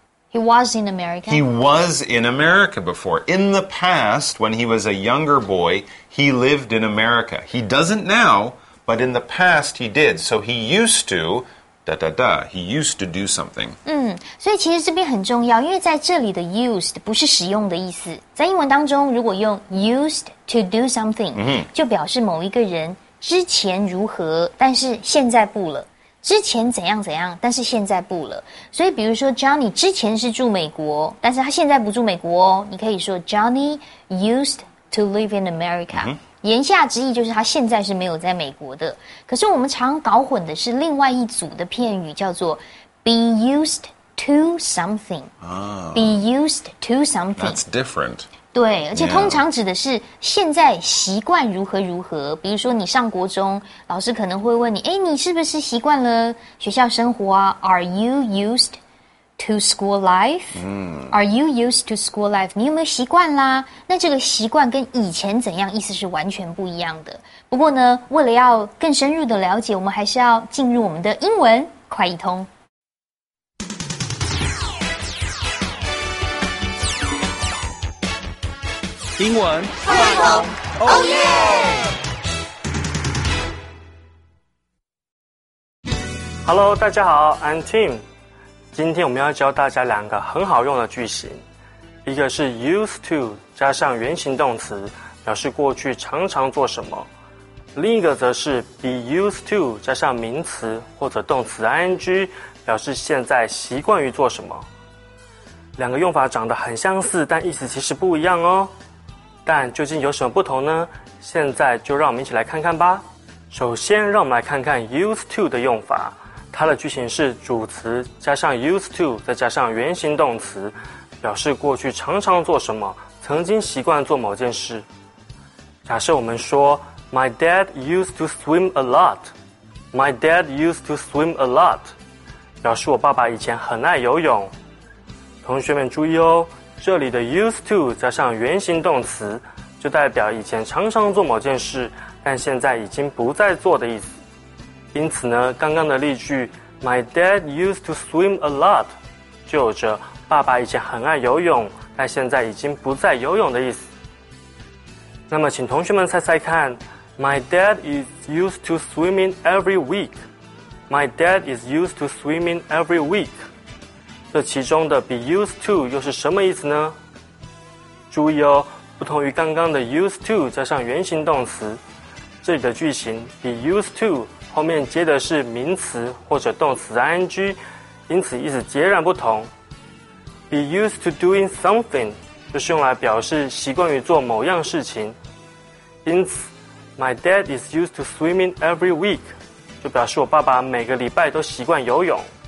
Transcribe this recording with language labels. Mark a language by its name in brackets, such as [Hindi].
[English] He was in America. He was in America before. In the past, when he was a younger boy, he lived in America. He doesn't now, but in the past he did. So he used to, da-da-da, he used to do something. [Chinese] 所以其实这边很重要，因为在这里的 used 不是使用的意思。在英文当中，如果用 [English] used to do something,、 [Chinese] mm-hmm. 就表示某一个人之前如何，但是现在不了。之前怎样怎样，但是现在不了。所以比如说 Johnny 之前是住美国，但是他现在不住美国哦。你可以说 [English] Johnny used to live in America、 [Chinese] 嗯、言下之意就是他现在是没有在美国的。可是我们常搞混的是另外一组的片语，叫做 [English] be used to something、 oh, be used to something, that's different. [Chinese] 对，而且通常指的是现在习惯如何如何。比如说你上国中，老师可能会问你，诶，你是不是习惯了学校生活啊？ [English] Are you used to school life?、嗯、 Are you used to school life? [Chinese] 你有没有习惯啦？那这个习惯跟以前怎样意思是完全不一样的。不过呢，为了要更深入的了解，我们还是要进入我们的英文快译通。英文快通 ， [English] Oh yeah！ Hello， [Chinese] 大家好 [English] ，I'm Tim。 [Chinese] 今天我们要教大家两个很好用的句型，一个是 used to 加上原形动词，表示过去常常做什么；另一个则是 be used to 加上名词或者动词 ing， 表示现在习惯于做什么。两个用法长得很相似，但意思其实不一样哦。但究竟有什么不同呢？现在就让我们一起来看看吧。首先让我们来看看 used to 的用法，它的句型是主词加上 used to 再加上原形动词，表示过去常常做什么，曾经习惯做某件事。假设我们说 [English] My dad used to swim a lot， [Chinese] My dad used to swim a lot， 表示我爸爸以前很爱游泳。同学们注意哦，这里的 used to 加上原形动词，就代表以前常常做某件事，但现在已经不再做的意思。因此呢，刚刚的例句 [English] My dad used to swim a lot [Chinese] 就有着爸爸以前很爱游泳，但现在已经不再游泳的意思。那么请同学们猜猜看， [English] My dad is used to swimming every week， [Chinese] My dad is used to swimming every week，这其中的 be used to 又是什么意思呢？注意哦，不同于刚刚的 used to 加上原形动词，这里的句型 be used to 后面接的是名词或者动词 ing， 因此意思截然不同。 [English] be used to doing something [Chinese] 就是用来表示习惯于做某样事情，因此 [English] my dad is used to swimming every week [Chinese] 就表示我爸爸每个礼拜都习惯游泳。